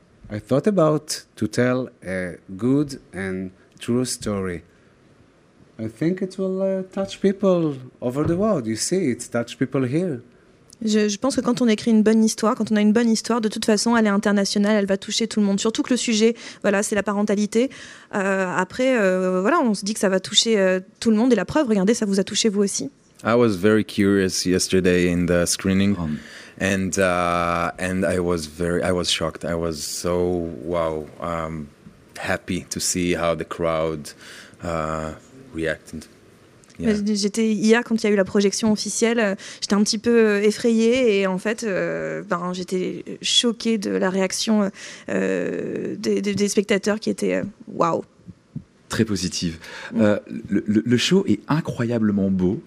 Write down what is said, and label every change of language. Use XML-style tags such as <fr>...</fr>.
<en>I thought about to tell a good and true story. I think it will touch people over the world. You see, it touches people here.</en> <fr>Je pense que quand on écrit une bonne histoire, quand on a une bonne histoire, de toute façon, elle est internationale, elle va toucher tout le monde. Surtout que le sujet, voilà, c'est la parentalité. Après, on se dit que ça va toucher tout le monde. Et la preuve, regardez, ça vous a touché vous aussi.</fr> <en>I was very curious yesterday in the screening, and I was shocked. I was so happy to see how the crowd reacted. Yeah.</en> <fr>J'étais hier, quand il y a eu la projection officielle, j'étais un petit peu effrayée et en fait, j'étais choquée de la réaction des spectateurs qui étaient waouh. Très positive. Le show est incroyablement beau.</fr>